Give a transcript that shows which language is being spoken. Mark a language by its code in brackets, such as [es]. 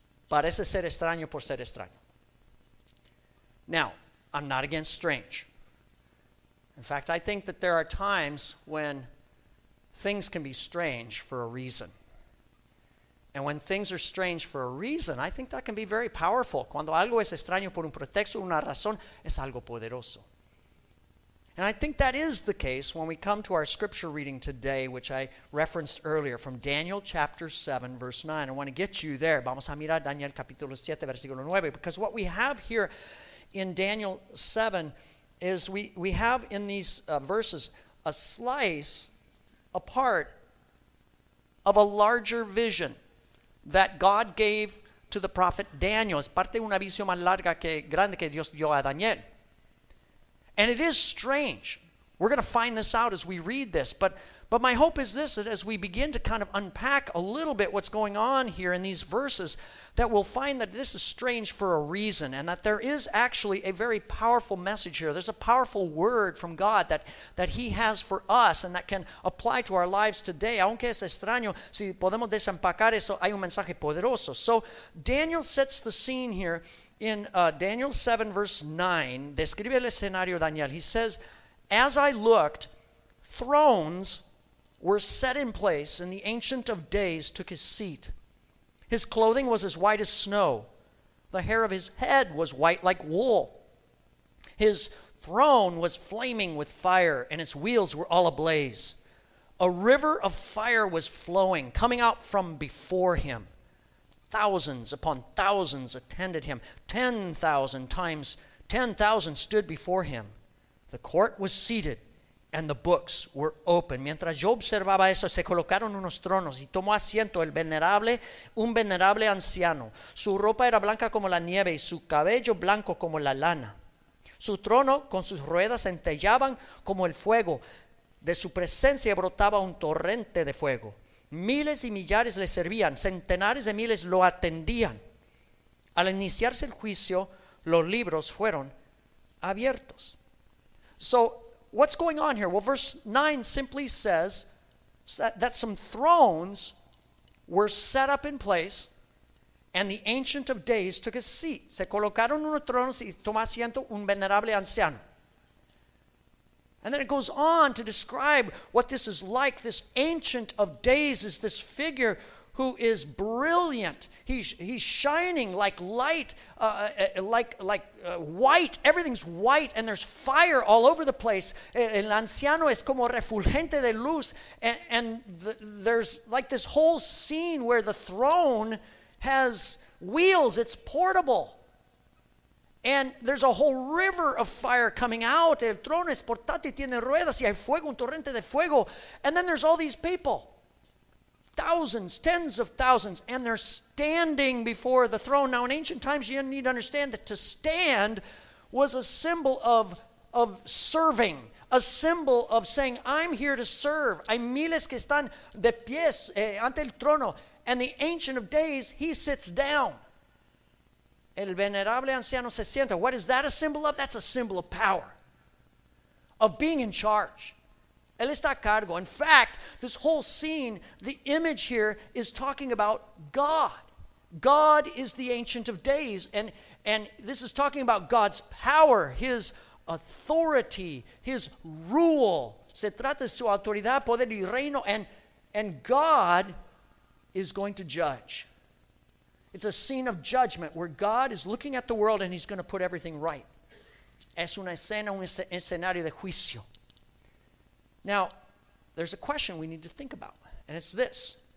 [es] Parece ser extraño por ser extraño. [en] Now, I'm not against strange. In fact, I think that there are times when things can be strange for a reason. And when things are strange for a reason, I think that can be very powerful. [es] Cuando algo es extraño por un pretexto, una razón, es algo poderoso. [en] And I think that is the case when we come to our scripture reading today, which I referenced earlier from Daniel chapter 7, verse 9. I want to get you there. [es] Vamos a mirar Daniel capítulo 7, versículo 9. [en] Because what we have here in Daniel 7 is we have in these verses a slice, a part of a larger vision that God gave to the prophet Daniel. [es] Es parte de una visión más larga que grande que Dios dio a Daniel. [en] And it is strange. We're going to find this out as we read this. But my hope is this, that as we begin to kind of unpack a little bit what's going on here in these verses, that we'll find that this is strange for a reason and that there is actually a very powerful message here. There's a powerful word from God that he has for us and that can apply to our lives today. [es] Aunque es extraño, si podemos desempacar esto, hay un mensaje poderoso. [en] So Daniel sets the scene here in Daniel 7, verse 9. [es] Describe el escenario, Daniel. [en] He says, "As I looked, thrones were set in place and the Ancient of Days took his seat. His clothing was as white as snow. The hair of his head was white like wool. His throne was flaming with fire, and its wheels were all ablaze. A river of fire was flowing, coming out from before him. Thousands upon thousands attended him. 10,000 times 10,000 stood before him. The court was seated, and the books were open. [es] Mientras yo observaba eso, se colocaron unos tronos y tomó asiento el venerable, un venerable anciano. Su ropa era blanca como la nieve y su cabello blanco como la lana. Su trono con sus ruedas centellaban como el fuego. De su presencia brotaba un torrente de fuego. Miles y millares le servían, centenares de miles lo atendían. Al iniciarse el juicio, los libros fueron abiertos. [en] So, what's going on here? Well, verse 9 simply says that some thrones were set up in place and the Ancient of Days took a seat. [es] Se colocaron unos tronos y tomó asiento un venerable anciano. [en] And then it goes on to describe what this is like. This Ancient of Days is this figure who is brilliant. He's shining like light, white. Everything's white, and there's fire all over the place. [es] El anciano es como refulgente de luz, [en] and there's like this whole scene where the throne has wheels. It's portable. And there's a whole river of fire coming out. [es] El trono es portátil, tiene ruedas, y hay fuego, un torrente de fuego. [en] And then there's all these people. Thousands, tens of thousands, and they're standing before the throne. Now, in ancient times, you need to understand that to stand was a symbol of serving, a symbol of saying, I'm here to serve. [es] Hay miles que están de pies ante el trono. [en] And the Ancient of Days, he sits down. [es] El venerable anciano se sienta. [en] What is that a symbol of? That's a symbol of power, of being in charge. [es] Él está a cargo. [en] In fact, this whole scene, the image here is talking about God. God is the Ancient of Days, and this is talking about God's power, his authority, his rule. [es] Se trata de su autoridad, poder y reino, [en] and God is going to judge. It's a scene of judgment where God is looking at the world and he's going to put everything right. [es] Es una escena, un escenario de juicio. [en] Now, there's a question we need to think about, and it's this.